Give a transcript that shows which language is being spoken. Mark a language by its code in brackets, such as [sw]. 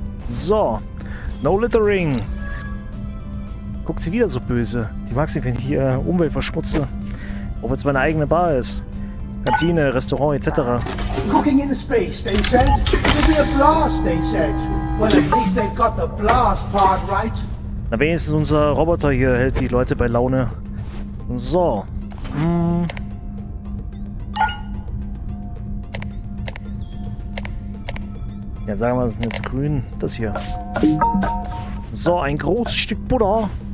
[de] So, [en] no littering. [de] Guckt sie wieder so böse. Die mag sie, wenn ich hier Umwelt verschmutze. Ob jetzt meine eigene Bar ist. Kantine, Restaurant, etc. [en] Cooking in space, they said. It'll be a blast, they said. Well, at least they've got the blast part right. [de] Na, wenigstens unser Roboter hier hält die Leute bei Laune. So. Ja, sagen wir, das ist jetzt grün. Das hier. So, ein großes Stück Butter.